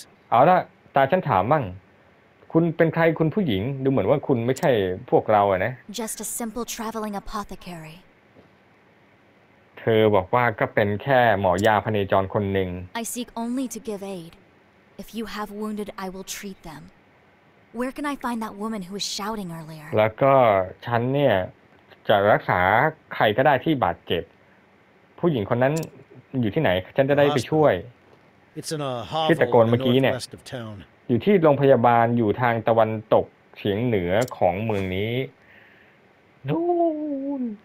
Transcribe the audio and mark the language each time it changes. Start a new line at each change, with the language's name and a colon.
Thai: เอาละตาฉันถามมั่งคุณเป็นใครคุณผู้หญิงดูเหมือนว่าคุณไม่ใช่พวกเราอะนะ
English: Just a simple traveling apothecary
Thai: เธอบอกว่าก็เป็นแค่หมอยาพเนจรคนหนึ่ง
English: I seek only to give aid if you have wounded I will treat themWhere can I find that woman who was shouting earlier?
Thai: แล้วก็ฉันเนี่ยจะรักษาใครก็ได้ที่บาดเจ็บผู้หญิงคนนั้นอยู่ที่ไหนฉันจะได้ไปช่วยที่ตะโกนเมื่อกี้เนี่ยอยู่ที่โรงพยาบาลอยู่ทางตะวันตกเฉียงเหนือของเมืองนี้นู่น